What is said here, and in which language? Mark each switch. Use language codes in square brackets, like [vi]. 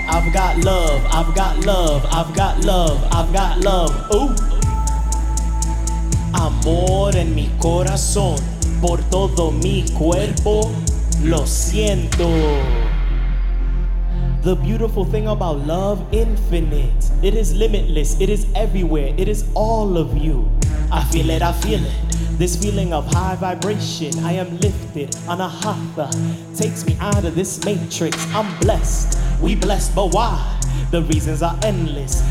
[en] I've got love, I've got love, I've got love, I've got love. [es] Ooh. Amor en mi corazón. Por todo mi cuerpo, lo siento. [en] The beautiful thing about love, infinite. It is limitless, it is everywhere, it is all of you. I feel it, I feel it. This feeling of high vibration, I am lifted on a hatha, takes me out of this matrix. I'm blessed, we blessed, but why? The reasons are endless.